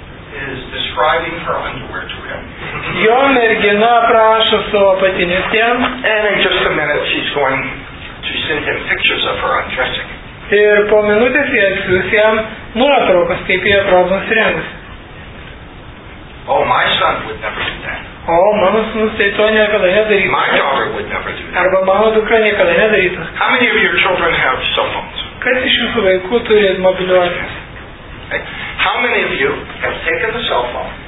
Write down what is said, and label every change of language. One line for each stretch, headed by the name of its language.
English: Is describing her underwear to him.
Lithuanian: Jo mergina prašo savo patinius jam.
English: And in just a minute she's going to send him pictures of her undressing.
Lithuanian: Ir po minutės jie atsiūs jam nuotraukas, kaip jie atrodo nusirengus.
English: Oh, my son would never do that.
Lithuanian: O mano sūnus tai to niekada nedarytų.
English: My daughter would never do that.
Lithuanian: Arba mano dukra niekada nedarytų.
English: How many of your children have cell phones?
Lithuanian: Kas iš jūsų vaikų turi mobiliuosius?
English: How many of you have taken the cell phone?